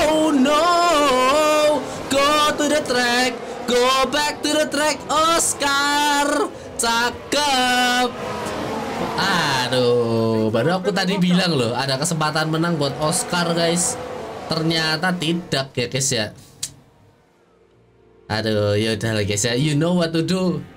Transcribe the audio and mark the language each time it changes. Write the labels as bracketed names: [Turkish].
[English] No, go to the track, go back to the track. [Indonesian] Oscar, cakep. Aduh, baru aku tadi bilang loh ada kesempatan menang buat Oscar guys, ternyata tidak ya guys ya. Aduh, yaudah lah guys ya, [English] you know what to do.